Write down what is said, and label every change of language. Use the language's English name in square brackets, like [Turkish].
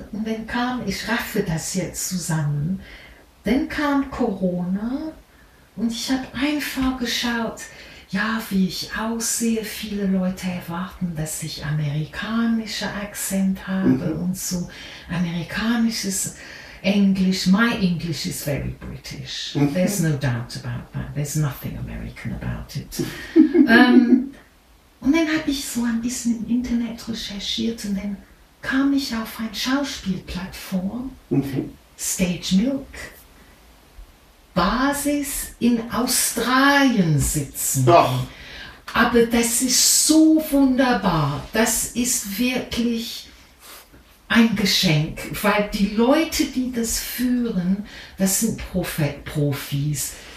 [German] Und dann kam, ich raffe das jetzt zusammen, dann kam Corona und ich habe einfach geschaut, ja, wie ich aussehe, viele Leute erwarten, dass ich amerikanischer Akzent habe und so amerikanisches Englisch. [English] My English is very British. There's no doubt about that. There's nothing American about it. [German] Und dann habe ich so ein bisschen im Internet recherchiert und dann kam ich auf eine Schauspielplattform, Stage Milk, Basis in Australien sitzen. Doch. Aber das ist so wunderbar. Das ist wirklich ein Geschenk, weil die Leute, die das führen, das sind Profis.